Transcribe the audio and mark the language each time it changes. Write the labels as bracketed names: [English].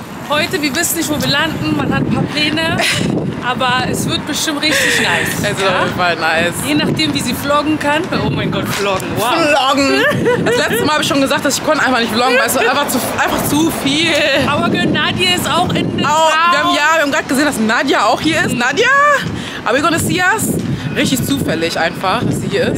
[German] Heute, wir wissen nicht, wo wir landen. Man hat ein paar Pläne. Aber es wird bestimmt richtig nice. Es wird auf jeden Fall nice. Je nachdem, wie sie vloggen kann. Oh mein Gott, vloggen. Wow. Vloggen. Das letzte Mal habe ich schon gesagt, dass ich konnte einfach nicht vloggen, weil es war einfach zu viel. Aber Nadia ist auch in der Town. Wir haben gerade gesehen, dass Nadia auch hier ist. [English] Nadia, are we gonna see us? [German] Richtig zufällig einfach, dass sie hier ist.